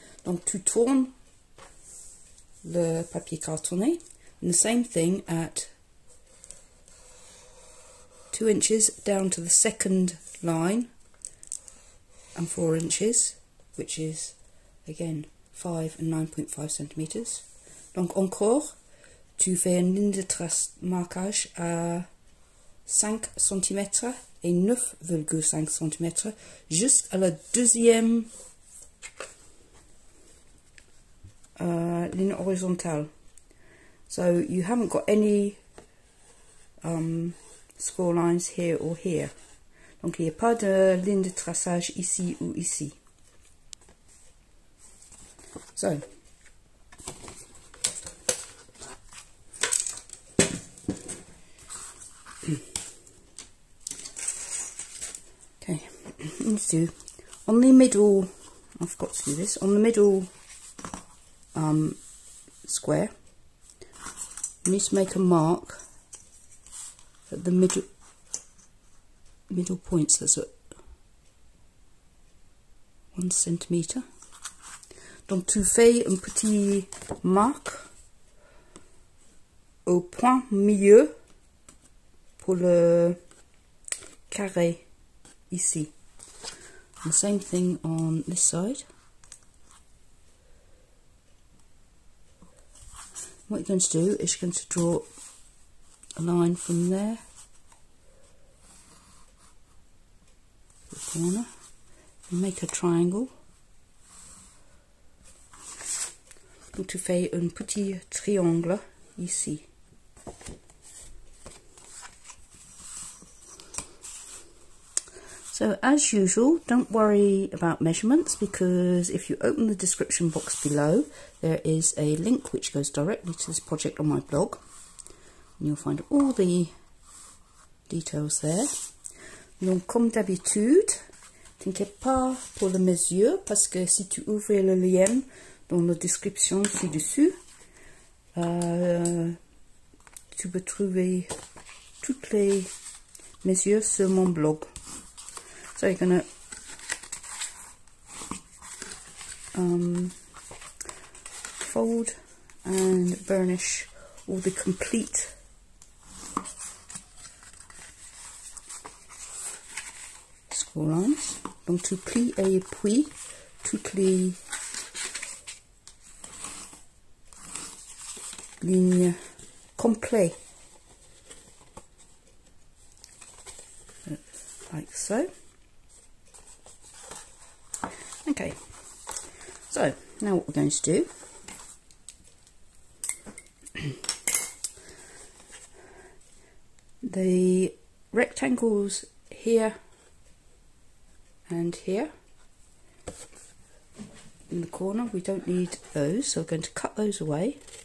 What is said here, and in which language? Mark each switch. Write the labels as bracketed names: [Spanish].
[French] Donc tu tournes le papier cartonné, [English] and the same thing at 2 inches down to the second line, and 4 inches, which is again 5 and 9.5 centimeters. [French] Donc encore, tu fais une ligne de marquage à 5 cm et 9,5 cm jusqu'à la deuxième ligne horizontale. [English] So you haven't got any score lines here or here. [French] Donc il n'y a pas de ligne de traçage ici ou ici. [English] So, okay, let's do on the middle. I've got to do this on the middle square. I need to make a mark at the middle point, so that's at 1 centimeter. [French] Donc tu fais un petit marque au point milieu pour le carré ici. [English] The same thing on this side. What you're going to do is you're going to draw a line from there to the corner and make a triangle. [French] Donc tu fais un petit triangle ici. [English] So as usual, don't worry about measurements, because if you open the description box below, there is a link which goes directly to this project on my blog, and you'll find all the details there. [French] Donc comme d'habitude, t'inquiète pas pour la mesure, parce que si tu ouvres le lien dans la description ci-dessus, tu peux trouver toutes les mesures sur mon blog. [English] So you're gonna fold and burnish all the complete score lines. [French] Donc tu plies et puis toutes les lignes complètes, [English] like so. Okay, so now what we're going to do, the rectangles here and here in the corner, we don't need those, so we're going to cut those away.